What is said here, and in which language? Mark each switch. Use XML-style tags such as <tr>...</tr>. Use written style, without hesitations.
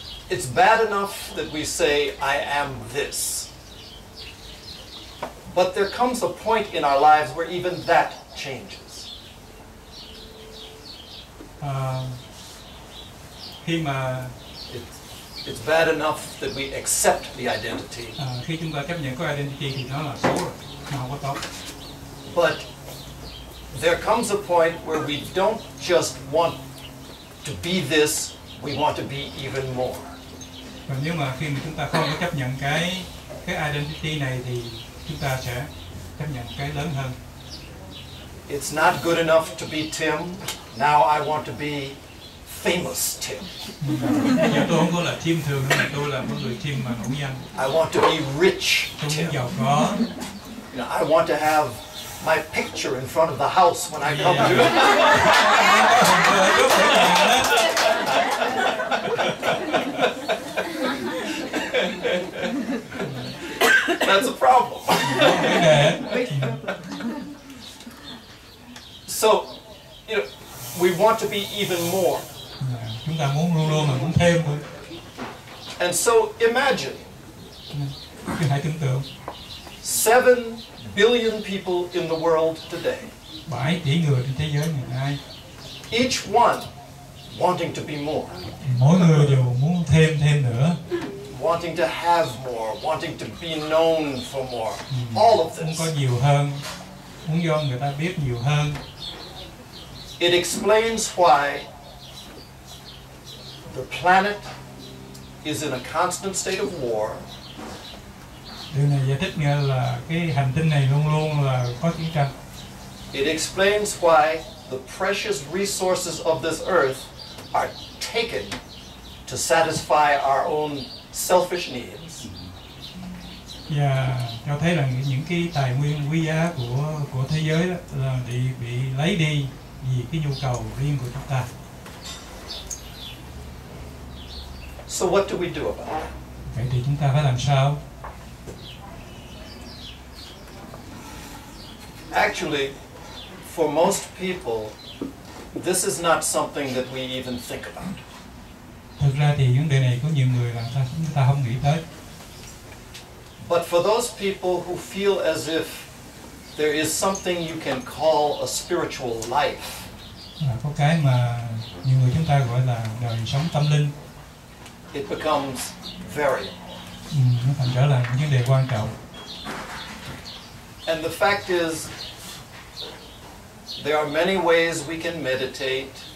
<en>It's bad enough that we say, I am this. But there comes a point in our lives where even that changes.</en> <vi>Khi mà</vi> <en>it's bad enough that we accept the identity.</en> <vi>Khi chúng ta chấp nhận cái identity thì nó là xấu rồi, nó không có tốt.</vi> <en>But there comes a point where we don't just want to be this, we want to be even more.</en> <vi>Và nếu mà khi mà chúng ta không có chấp nhận cái identity này thì chúng ta sẽ chấp nhận cái lớn hơn.</vi> <en>It's not good enough to be Tim. Now I want to be famous Tim.</en> <vi>Giờ tôi không có là Tim thường nữa, tôi là một người Tim mà nổi danh.</vi> <en>I want to be rich Tim.</en> <vi>Tôi muốn giàu có.</vi> <en>I want to have my picture in front of the house when I come to. That's a problem. So, you know, we want to be even more.</en> <vi>Chúng ta muốn luôn luôn mà muốn thêm thôi.</vi> <en>And so imagine.</en> <vi>Chúng ta hãy tưởng tượng.</vi> <en>7 billion people in the world today.</en> <vi>7 tỷ người trên thế giới ngày nay.</vi> <en>Each one wanting to be more.</en> <vi>Mỗi người đều muốn thêm thêm nữa.</vi> <en>Wanting to have more, wanting to be known for more. All of this.</en> <vi>Muốn có nhiều hơn. Muốn cho người ta biết nhiều hơn.</vi> <en>It explains why the planet is in a constant state of war.</en> <vi>Điều này giải thích nghĩa là cái hành tinh này luôn luôn là có chiến tranh.</vi> <en>It explains why the precious resources of this earth are taken to satisfy our own selfish needs.</en> <vi>Và cho thấy rằng những cái tài nguyên quý giá của thế giới là bị lấy đi vì cái nhu cầu riêng của chúng ta.</vi> <en>So what do we do about it?</en> <vi>Vậy thì chúng ta phải làm sao?</vi> <en>Actually, for most people, this is not something that we even think about.</en> <vi>Thực ra thì vấn đề này có nhiều người là chúng ta không nghĩ tới.</vi> <en>But for those people who feel as if there is something you can call a spiritual life.</en> <vi>Có cái mà nhiều người chúng ta gọi là đời sống tâm linh.</vi> <en>It becomes very important.</en> <vi>Nó thành trở lại một vấn đề quan trọng.</vi> <en>And the fact is, there are many ways we can meditate.</en>